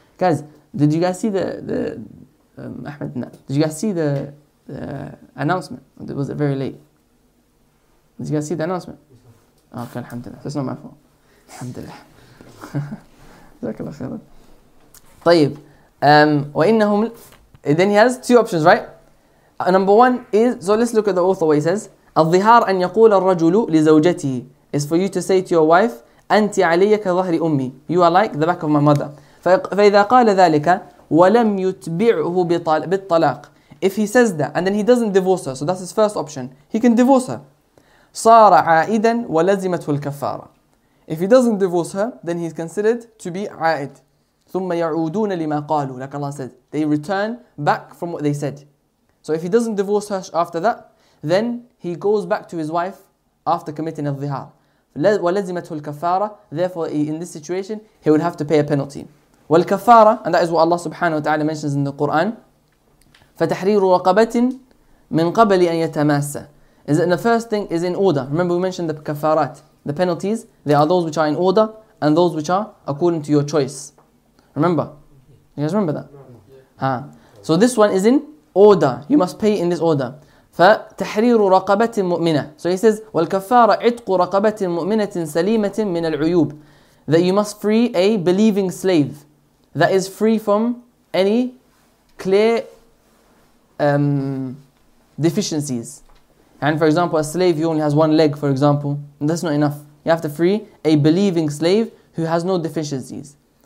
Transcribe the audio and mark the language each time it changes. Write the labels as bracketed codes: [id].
[en] Guys, did you guys see the announcement? Was it very late? Did you guys see the announcement? Okay, alhamdulillah. That's not my fault. Alhamdulillah. [ar] Jazakallah khairan. طيب. وإنهم... [en] Then he has two options, right? Number one is, so let's look at the author, what he says. [ar] الظهار أن يقول الرجل لزوجته [en] is for you to say to your wife, [ar] أنت عليك ظهر أمي. [en] You are like the back of my mother. [ar] فإذا قال ذلك ولم يتبعه بالطلاق. [en] If he says that and then he doesn't divorce her, so that's his first option, he can divorce her. [ar] صار عائدا ولزمته الكفارة. [en] If he doesn't divorce her, then he's considered to be عائد. [ar] ثم يعودون لما قالوا. [en] Like Allah said, they return back from what they said. So if he doesn't divorce her after that, then he goes back to his wife after committing al-dhihar. [ar] ولزمته الكفارة. [en] Therefore, in this situation, he would have to pay a penalty. والكفارة, and that is what Allah subhanahu wa ta'ala mentions in the Quran. [ar] فتحرير رقبة من قبل أن يتماسى. [en] Is that the first thing is in order. Remember we mentioned the kafarat, the penalties. They are those which are in order and those which are according to your choice. Remember? You guys remember that? Yeah. Huh. So this one is in order. You must pay in this order. [ar] فتحرير رقبة مؤمنة. [en] So he says, [ar] والكفارة عتق رقبة مؤمنة سليمة من العيوب. [en] That you must free a believing slave that is free from any clear deficiencies. And for example, a slave who only has one leg, for example, that's not enough. You have to free a believing slave who has no deficiencies.